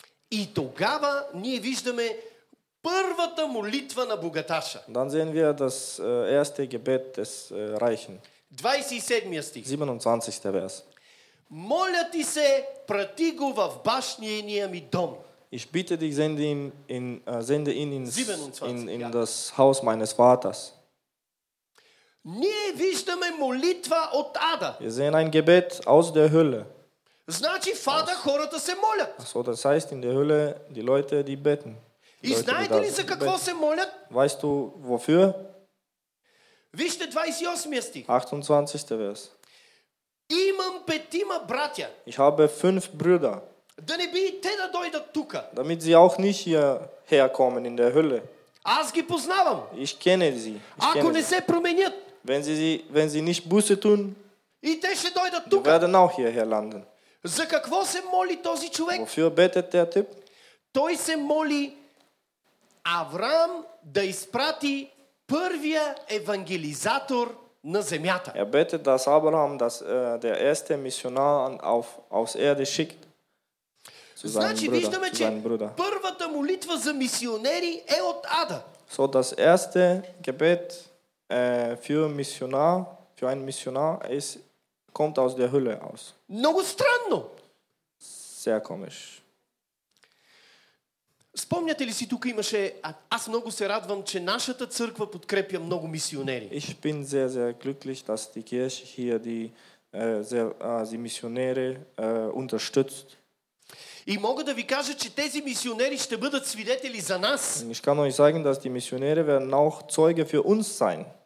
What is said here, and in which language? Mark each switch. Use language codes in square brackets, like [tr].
[bg] И тогава ние виждаме първата молитва на богаташа. [de] Dann sehen wir das erste Gebet des Reichen. [bg] 27 стих. [de] 27. Vers. [bg] Моля ти се, прати го в башния ми дом. [de] Ich bitte dich, sende ihn in das Haus meines Vaters. [bg] Ние виждаме молитва от ада. [de] Wir sehen ein Gebet aus der Hölle. [bg] Значи в ада хората се молят. [de] So, das heißt, in der Hölle die Leute, die beten. [bg] И знаете ли за какво се молят? [de] Weißt du, wofür? [bg] Вижте 28 стих. [de] 28. Vers. [bg] Имам петима братя. [de] Ich habe 5 Brüder. [bg] Да не би те да дойдат тука. [de] Damit sie auch nicht hierher kommen in der Hölle. [bg] Аз ги познавам. [de] Ich kenne sie. [bg] Ако не се променят. [de] Wenn sie nicht Buße tun. [bg] И те ще дойдат тука. [de] Die werden auch hierher landen. [bg] За какво се моли този човек? [de] Wofür betet der Typ? [bg] Той се моли Авраам да изпрати първия евангелизатор на земята. [de] Er betet, dass Abraham der erste Missionar aufs Erde schickt. [bg] Значи виждаме, че първата молитва за мисионери е от ада. [de] So, das erste Gebet für einen Missionar ist, kommt aus der Hölle aus. [bg] Много странно. [de] Sehr komisch. [bg] Спомняте ли си, тук имаше, аз много се радвам, че нашата църква подкрепя много мисионери. [de] Ich bin sehr, sehr glücklich, dass die Kirche hier die Missionäre unterstützt. [bg] И мога да ви кажа, че тези мисионери ще бъдат свидетели за нас. [de] Ich kann euch sagen, dass die Missionäre werden auch Zeuge für uns sein.